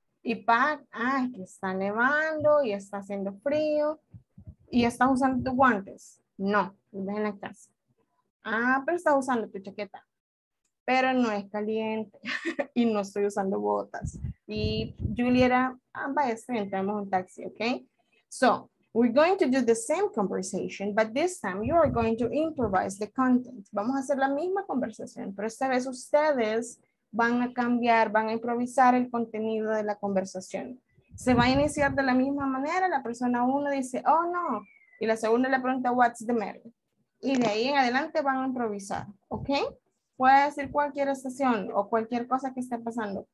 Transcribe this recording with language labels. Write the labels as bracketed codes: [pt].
[es] Y Pat, ah, es que está nevando y está haciendo frío. ¿Y estás usando tus guantes? No, en la casa. Ah, pero estás usando tu chaqueta. Pero no es caliente y no estoy usando botas. Y Julie era, ah, vaya, entramos un taxi, ¿ok? [en] So, we're going to do the same conversation, but this time you are going to improvise the content. [es] Vamos a hacer la misma conversación, pero esta vez ustedes van a cambiar, van a improvisar el contenido de la conversación. Se va a iniciar de la misma manera, la persona uno dice, [en] oh no, [es] y la segunda le pregunta, [en] what's the matter? [es] Y de ahí en adelante van a improvisar, ¿ok? Puede decir cualquier estación o cualquier cosa que esté pasando.